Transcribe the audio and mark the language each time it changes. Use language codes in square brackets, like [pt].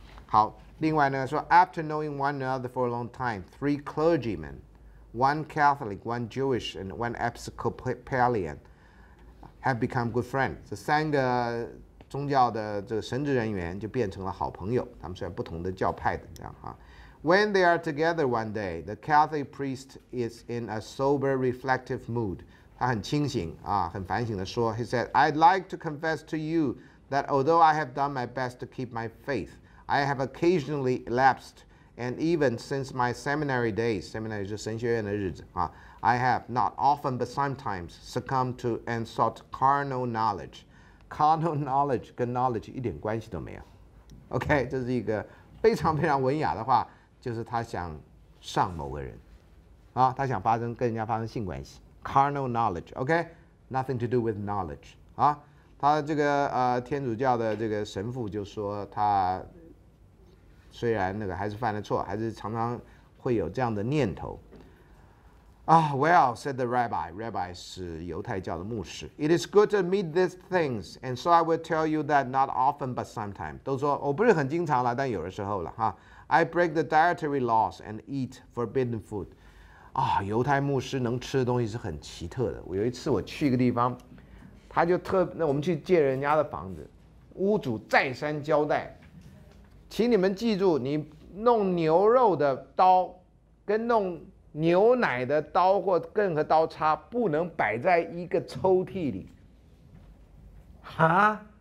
[zh] 好，另外呢说 [en] after knowing one another for a long time, three clergymen, one Catholic, one Jewish, and one Episcopalian have become good friends. [zh] 这三个宗教的这个神职人员就变成了好朋友，他们虽然不同的教派的这样啊。 [en] When they are together one day, the Catholic priest is in a sober, reflective mood. [zh] 他很清醒啊，很反省地说 [en] He said, I'd like to confess to you that although I have done my best to keep my faith, I have occasionally lapsed, and even since my seminary days, seminary [zh] 就是神学院的日子啊， [en] I have, not often but sometimes, succumbed to and sought carnal knowledge. [zh] Carnal knowledge 跟 knowledge 一点关系都没有。 OK, 这是一个非常非常文雅的话，就是他想上某个人啊，他想发生跟人家发生性关系。 [en] Carnal knowledge, OK, nothing to do with knowledge 啊。 [zh] 他这个天主教的这个神父就说，他虽然那个还是犯了错，还是常常会有这样的念头啊。 [en] Well, said the rabbi, rabbi [zh] 是犹太教的牧师， [en] It is good to meet these things, and so I will tell you that not often but sometime. [zh] 都说我不是很经常了，但有的时候了哈。 [en] I break the dietary laws and eat forbidden food. [zh] 啊，犹太牧师能吃的东西是很奇特的。我有一次我去一个地方，他就特那我们去借人家的房子，屋主再三交代，请你们记住，你弄牛肉的刀跟弄牛奶的刀或任何刀叉不能摆在一个抽屉里。哈？